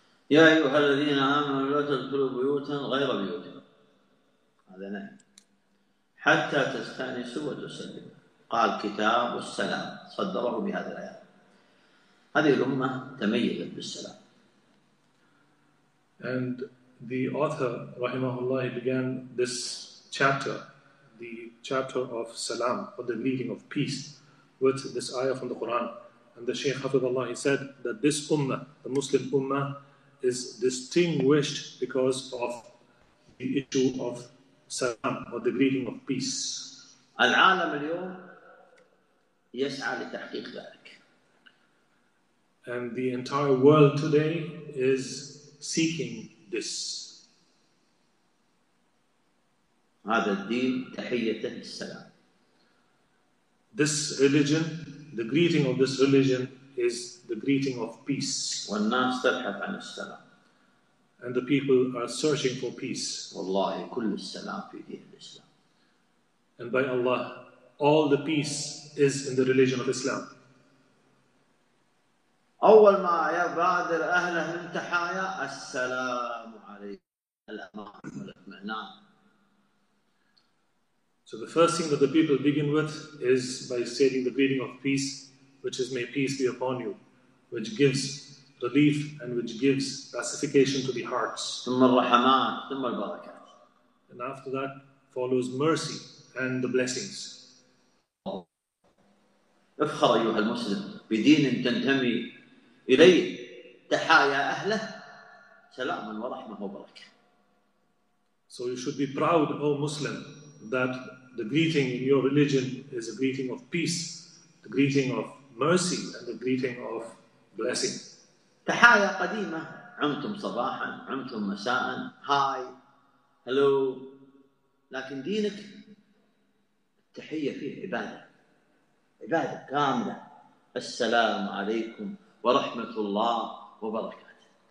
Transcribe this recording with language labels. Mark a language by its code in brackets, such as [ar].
[ar] يا أيها الذين آمنوا لا تدخلوا بيوتا غير بيوتكم، هذا نهي، حتى تستأنسوا وتسلموا. قال: كتاب السلام، صدره بهذا الآيات. هذه الأمة تميزت بالسلام. [en] And the author, rahimahullah, began this chapter, the chapter of salam, or the meaning of peace, with this ayah from the Quran. And the Shaykh hafidhullah, he said that this ummah, the Muslim ummah, is distinguished because of the issue of salam, or the meaning of peace. [ar] العالم اليوم يسعى لتحقيق ذلك. [en] And the entire world today is seeking this. [ar] هذا الدين تحيته السلام. [en] This religion, the greeting of this religion is the greeting of peace. [ar] والناس تبحث عن السلام. [en] And the people are searching for peace. [ar] والله كل السلام في دين الإسلام. [en] And by Allah, all the peace is in the religion of Islam. [ar] أول ما يبادر أهله التحايا السلام عليكم الأمان والاطمئنان. [en] So the first thing that the people begin with is by stating the greeting of peace, which is may peace be upon you, which gives relief and which gives pacification to the hearts. [ar] ثم الرحمات ثم البركات. [en] And after that follows mercy and the blessings. [ar] افخر أيها المسلم بدين تنتمي إليه تحايا أهله سلاما ورحمة وبركة. [en] So you should be proud, O Muslim, that the greeting in your religion is a greeting of peace, the greeting of mercy, and the greeting of blessing. [ar] تحايا قديمة، عمتم صباحا، عمتم مساء، [en] Hi, hello. [ar] لكن دينك التحية فيه عبادة، عبادة كاملة. السلام عليكم ورحمة الله وبركاته.